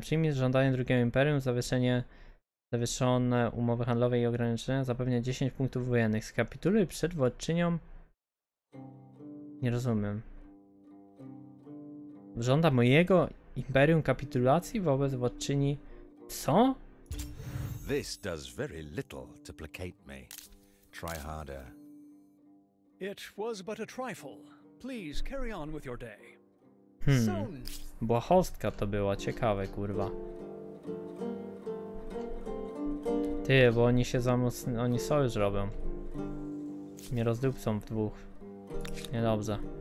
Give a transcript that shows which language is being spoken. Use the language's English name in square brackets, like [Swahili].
[Polish] Przyjmij żądanie drugiego imperium, zawieszenie... Zawieszone umowy handlowe i ograniczenia, zapewnia 10 punktów wojennych. Skapituluj przed władczynią... Nie rozumiem. Żąda mojego imperium kapitulacji wobec władczyni... Co? [English] This does very little to placate me. Try harder. It was but a trifle. Please carry on with your day. [Polish] Błahostka to była, ciekawe kurwa. Ty, bo oni się zamocni... Oni sojusz robią. Mnie rozdupcą w dwóch. Niedobrze.